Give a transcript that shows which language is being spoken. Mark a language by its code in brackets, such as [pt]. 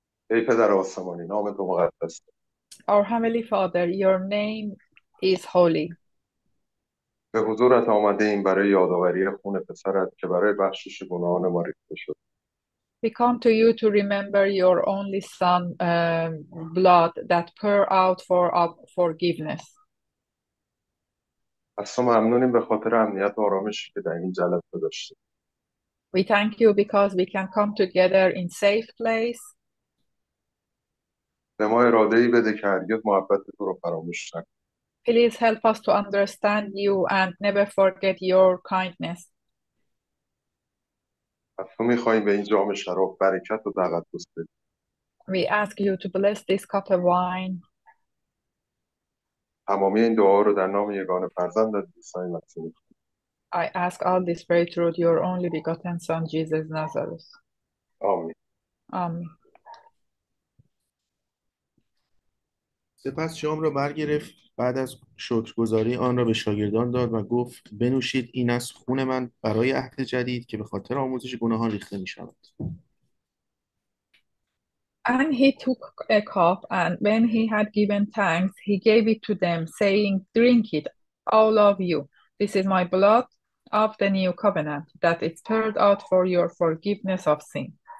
[fa] ای پدر آسمانی نام تو مقدس. [en] Our heavenly Father, your name is holy. [fa] به حضورت آمده ایم برای یادآوری خون پسرت که برای بخشش گناهان ما ریخته شد. [en] We come to you to remember your only son blood that pour out for our forgiveness. [fa] از تو ممنونیم به خاطر امنیت و آرامشی که در این جلسه داشتیم. [en] We thank you because we can come together in safe place. [fa] به ما اراده ای بده که هرگز محبت تو رو فراموش نکنیم. [en] Please help us to understand you and never forget your kindness. [fa] از تو میخواییم به این جام شراب برکت و دعوت بسپریم. [en] We ask you to bless this cup of wine. [fa] تمامی این دعا رو در نام یگانه فرزند عیسی مسیح می‌خوام. [en] I ask all this prayer through your only begotten Son, Jesus Nazareth. [fa] آمین. آمین. سپس شام را برگرفت، بعد از شکرگزاری آن را به شاگردان داد و گفت: بنوشید، این است خون من برای عهد جدید که به خاطر آمرزش گناهان ریخته می‌شود. [en] And he took a cup, and when he had given thanks, he gave it to them, saying, Drink it, all of you. This is my blood of the new covenant, that is poured out for your forgiveness of sin.